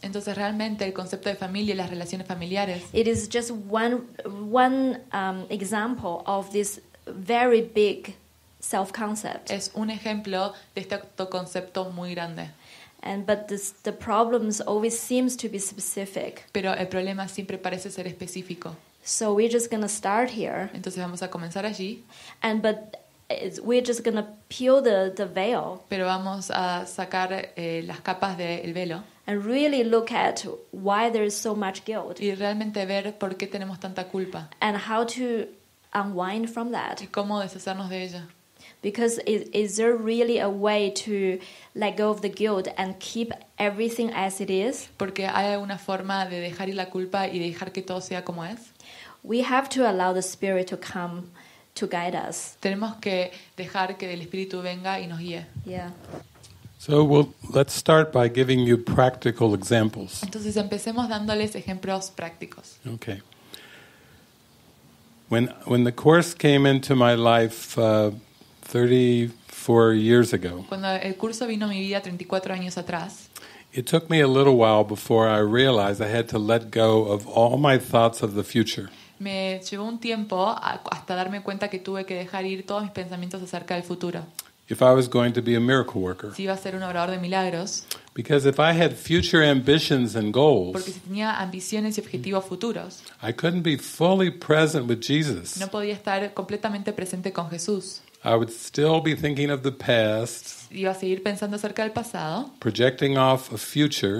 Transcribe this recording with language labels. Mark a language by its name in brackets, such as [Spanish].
[Spanish] Entonces realmente el concepto de familia y las relaciones familiares. [English] It is just one example of this very big self-concept. [Spanish] Es un ejemplo de este autoconcepto muy grande. [English] And but the problems always seems to be specific. [Spanish] Pero el problema siempre parece ser específico. [English] So we're just gonna start here. [Spanish] Entonces vamos a comenzar allí. [English] And but we're just gonna peel the veil. [Spanish] Pero vamos a sacar las capas del velo. [English] And really look at why there is so much guilt. [Spanish] Y realmente ver por qué tenemos tanta culpa. [English] And how to unwind from that. [Spanish] Y cómo deshacernos de ella. [English] Because is there really a way to let go of the guilt and keep everything as it is? [Spanish] Porque hay alguna forma de dejar ir la culpa y dejar que todo sea como es. [English] We have to allow the spirit to come to guide us. [Spanish] Tenemos que dejar que el espíritu venga y nos guíe. [English] Yeah. So we'll let's start by giving you practical examples. [Spanish] Entonces empecemos dándoles ejemplos prácticos. [English] Okay. When the course came into my life 34 years ago. [Spanish] Cuando el curso vino a mi vida 34 años atrás. [English] It took me a little while before I realized I had to let go of all my thoughts of the future. [Spanish] Me llevó un tiempo hasta darme cuenta que tuve que dejar ir todos mis pensamientos acerca del futuro. [English] If I was going to be a miracle worker. [Spanish] Si iba a ser un obrador de milagros. [English] Because if I had future ambitions and goals. [Spanish] Porque si tenía ambiciones y objetivos futuros. [English] I couldn't be fully present with Jesus. [Spanish] No podía estar completamente presente con Jesús. [English] I would still be thinking of the past. [Spanish] Iba a seguir pensando acerca del pasado. [English] Projecting off a future.